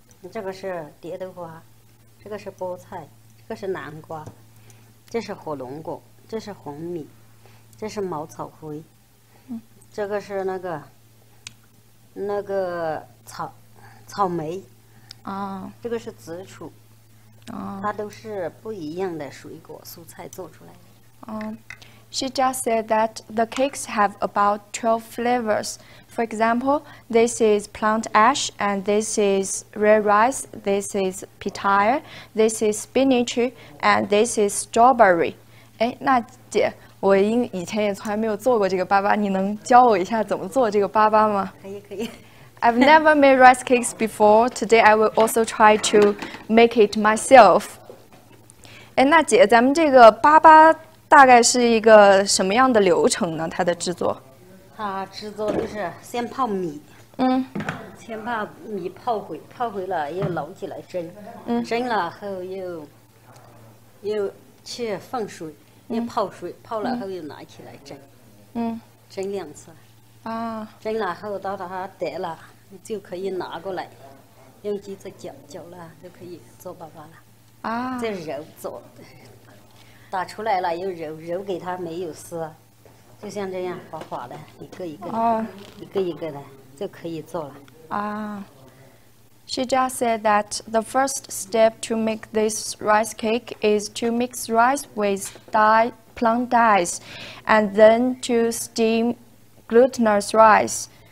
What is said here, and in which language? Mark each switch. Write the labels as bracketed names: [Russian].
[Chinese] 这个是蝶豆花，这个是菠菜，这个是南瓜，这是火龙果，这是红米，这是茅草灰，这个是那个草莓，啊，这个是紫薯。它都是不一样的水果蔬菜做出来的。 [English] She just said that the cakes have about 12 flavors. For example, this is plant ash, and this is red rice, this is pitaya, this is spinach, and this is strawberry. [Chinese] 哎，那姐，我以前也从来没有做过这个粑粑，你能教我一下怎么做这个粑粑吗？可以。 [English] I've never made rice cakes before. Today, I will also try to make it myself. [Chinese] 哎，那姐，咱们这个粑粑大概是一个什么样的流程呢？它的制作？它制作就是先泡米。先把米泡回了，又捞起来蒸。蒸了后又去放水，又泡水，泡了后又拿起来蒸。蒸两次。蒸了后到它得了。你就可以拿过来，用机子搅了，就可以做粑粑了。这揉做，打出来了又揉给它没有丝，就像这样滑滑的，一个一个的，就可以做了。 [English] She just said that the first step to make this rice cake is to mix rice with plant dyes, and then to steam glutinous rice.